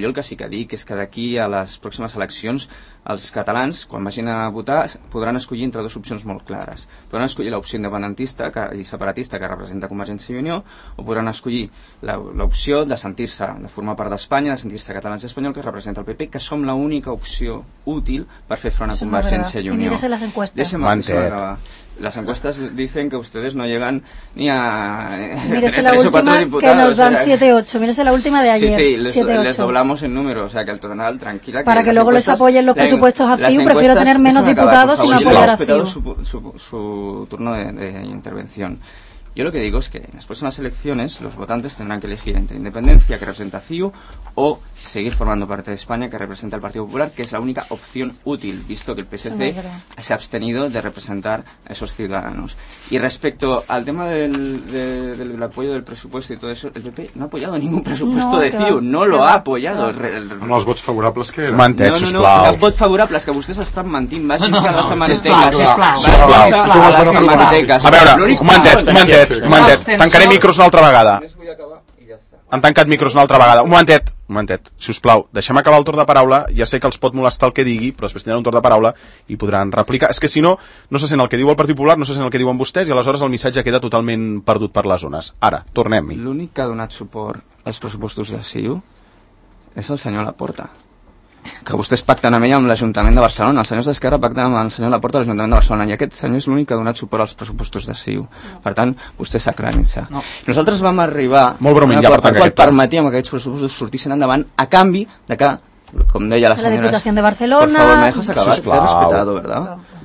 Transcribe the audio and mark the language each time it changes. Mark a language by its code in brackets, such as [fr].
[ca] Jo el que sí que dic és que d'aquí a les pròximes eleccions els catalans, quan vagin a votar, podran escollir entre dues opcions molt clares. Podran escollir l'opció independentista i separatista que representa Convergència i Unió, o podran escollir l'opció de sentir-se, de formar part d'Espanya, de sentir-se catalans i espanyol, que representa el PP, que som l'única opció útil per fer front a Convergència i Unió. Deixa'm les enquestes. [es] Les encuestes dicen que ustedes no llegan ni a... Mírese la última, que nos dan 7-8. Mírese la última de ayer. Sí, sí, les doblamos en número. O sea, que al total, tranquila. Para que luego les apoyen los presupuestos a CiU, prefiero tener menos diputados y no apoyar a CiU. Respetado su turno de intervención. Yo lo que digo es que en las próximas elecciones los votantes tendrán que elegir entre independencia, que representa CiU, o seguir formando parte de España, que representa el Partido Popular, que es la única opción útil, visto que el PSC se ha abstenido de representar a esos ciudadanos. Y respecto al tema del apoyo del presupuesto y todo eso, el PP no ha apoyado ningún presupuesto de CiU, no lo ha apoyado. [ca] Amb els vots favorables que... Mantec, sisplau. Els vots favorables que vostès estan mentint, vagin a la Samanteca. A veure, un momentet, tancarem micros una altra vegada. Han tancat micros una altra vegada. Un momentet, si us plau, deixem acabar el torn de paraula. Ja sé que els pot molestar el que digui, però després tindran un torn de paraula i podran replicar. És que si no, no se sent el que diu el Partit Popular, no se sent el que diuen vostès, i aleshores el missatge queda totalment perdut per les zones. Ara, tornem-hi. L'únic que ha donat suport als pressupostos de CiU és el senyor Laporta, que vostès pacten amb ell amb l'Ajuntament de Barcelona. Els senyors d'Esquerra pacten amb el senyor Laporta a l'Ajuntament de Barcelona, i aquest senyor és l'únic que ha donat suport als pressupostos de CiU. Per tant, vostè s'aclarissa. Nosaltres vam arribar molt bromint, ja, per qual permetíem que aquests pressupostos sortissin endavant a canvi de que, com deia la senyora... La Diputació de Barcelona... [es] Por favor, me dejas acabar, te he respetado, ¿verdad?